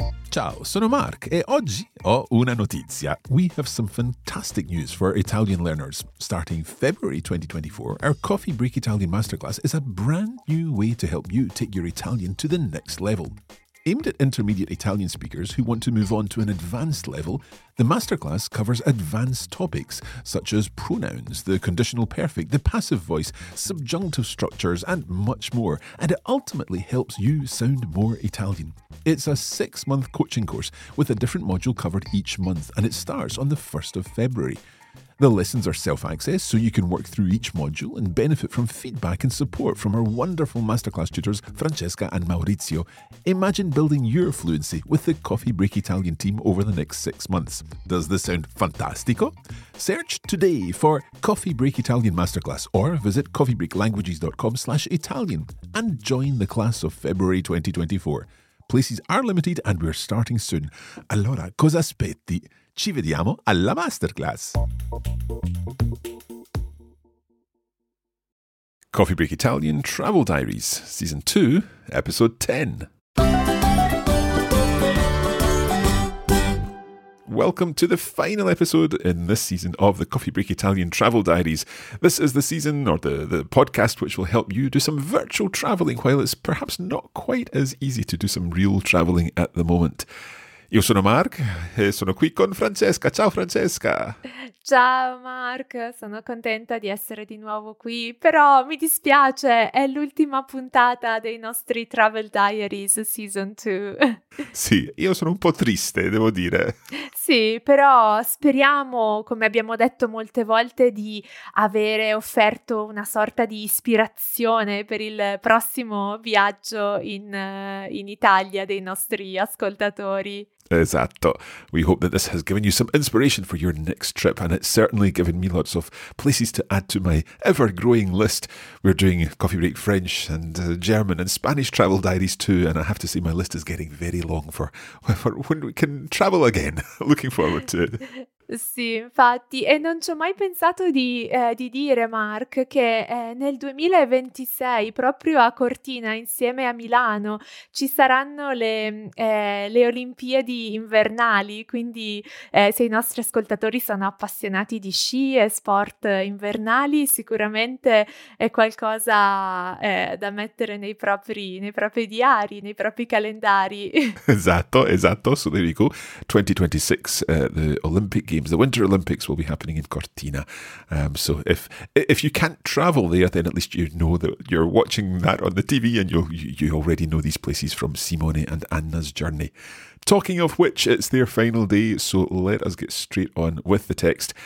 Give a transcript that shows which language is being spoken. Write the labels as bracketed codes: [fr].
[it] Ciao, sono Mark e oggi ho una notizia. [en] We have some fantastic news for Italian learners. Starting February 2024, our Coffee Break Italian Masterclass is a brand new way to help you take your Italian to the next level. Aimed at intermediate Italian speakers who want to move on to an advanced level, the masterclass covers advanced topics such as pronouns, the conditional perfect, the passive voice, subjunctive structures, and much more, and it ultimately helps you sound more Italian. It's a six-month coaching course with a different module covered each month, and it starts on the 1st of February. The lessons are self-access, so you can work through each module and benefit from feedback and support from our wonderful masterclass tutors, Francesca and Maurizio. Imagine building your fluency with the Coffee Break Italian team over the next 6 months. Does this sound fantastico? Search today for Coffee Break Italian Masterclass or visit coffeebreaklanguages.com/Italian and join the class of February 2024. Places are limited and we're starting soon. [it] Allora, cosa aspetti? Ci vediamo alla masterclass. [en] Coffee Break Italian Travel Diaries, Season 2, Episode 10. Welcome to the final episode in this season of the Coffee Break Italian Travel Diaries. This is the season, or the podcast, which will help you do some virtual travelling while it's perhaps not quite as easy to do some real travelling at the moment. [it] Io sono Mark e sono qui con Francesca. Ciao Francesca! Ciao Mark, sono contenta di essere di nuovo qui, però mi dispiace, è l'ultima puntata dei nostri Travel Diaries Season 2. Sì, io sono un po' triste, devo dire. Sì, però speriamo, come abbiamo detto molte volte, di avere offerto una sorta di ispirazione per il prossimo viaggio in Italia dei nostri ascoltatori. Esatto. [en] We hope that this has given you some inspiration for your next trip, and it's certainly given me lots of places to add to my ever-growing list. We're doing Coffee Break French and German and Spanish travel diaries too, and I have to say my list is getting very long for when we can travel again. Looking forward to it. [it] Sì, infatti, e non ci ho mai pensato di dire, Mark, che nel 2026, proprio a Cortina, insieme a Milano, ci saranno le Olimpiadi invernali, quindi se i nostri ascoltatori sono appassionati di sci e sport invernali, sicuramente è qualcosa da mettere nei propri diari, nei propri calendari. [en] Esatto, so there you go. 2026, the Olympic Games. The Winter Olympics will be happening in Cortina. So if you can't travel there, then at least you know that you're watching that on the TV and you already know these places from Simone and Anna's journey. Talking of which, it's their final day, so let us get straight on with the text.